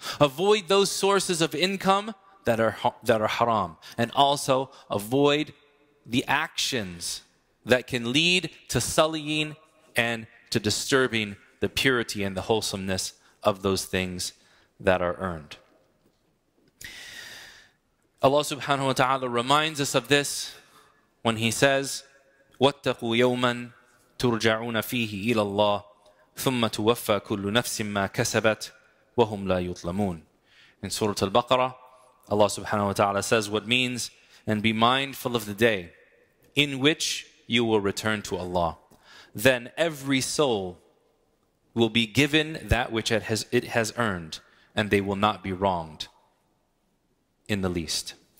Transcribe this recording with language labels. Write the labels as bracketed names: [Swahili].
[English] Avoid those sources of income that are haram, and also avoid the actions that can lead to sullying and to disturbing the purity and the wholesomeness of those things that are earned. Allah subhanahu wa ta'ala reminds us of this when He says, [Arabic] وَاتَّقُوا يَوْمًا تُرْجَعُونَ فِيهِ إِلَى اللَّهِ ثُمَّ تُوَفَّى كُلُّ نَفْسٍ مَّا كَسَبَتْ وَهُمْ لَا يُطْلَمُونَ. [English] In Surah Al-Baqarah, Allah subhanahu wa ta'ala says what means, and be mindful of the day in which you will return to Allah. Then every soul will be given that which it has earned, and they will not be wronged in the least.